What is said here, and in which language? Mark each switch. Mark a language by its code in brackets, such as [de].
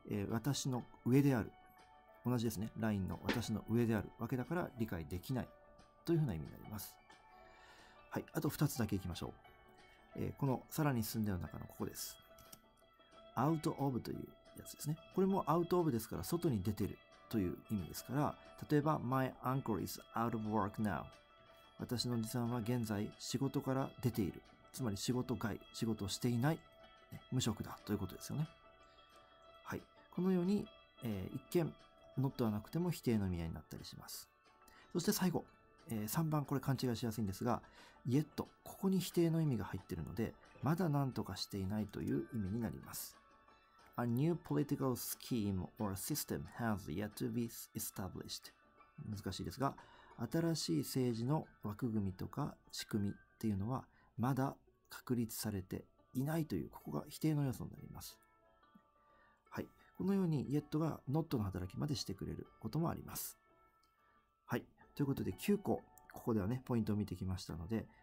[ja] 私の上である。同じですね。ラインの私の上であるわけだから理解できない。というふうな意味になります。はい。あと2つだけ行きましょう。このさらに進んでの中のここです。 out of というやつですね。これも out of ですから外に出てる。という意味ですから、例えば、 [en] My uncle is out of work now. [ja] 私のおじさんは現在仕事から出ている。つまり仕事外、仕事をしていない。無職だということですよね。はい。このように、一見、not はなくても否定の意味合いになったりします。そして最後、3番、これ勘違いしやすいんですが、yet、ここに否定の意味が入っているので、まだ何とかしていないという意味になります。 [en] A new political scheme or system has yet to be established. [ja] 難しいですが、新しい政治の枠組みとか仕組みっていうのはまだ確立されていないという、ここが否定の要素になります。はい。このように yet が not の働きまでしてくれることもあります。はい。ということで9個、ここではね、ポイントを見てきましたので、